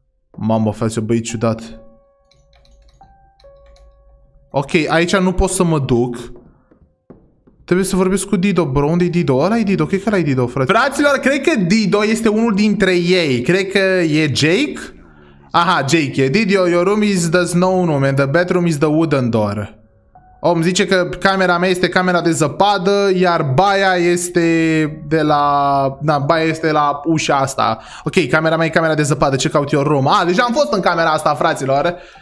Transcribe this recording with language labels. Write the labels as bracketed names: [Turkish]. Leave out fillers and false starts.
[Romanian] Mamă, faci, băi, ciudat. Ok, aici nu pot să mă duc. Trebuie să vorbesc cu Dido, bro. Unde-i Dido? Ăla-i Dido. Cred că ăla-i Dido, frate. Fraților, cred că Dido este unul dintre ei. Cred că e Jake. Aha, Jake e. [English] Dido, your room is the snow room and the bedroom is the wooden door. [Romanian] Om, zice că camera mea este camera de zăpadă, iar baia este de la... Da, baia este la ușa asta. Ok, camera mea e camera de zăpadă. Ce caut eu în room? Deja am fost în camera asta, fraților.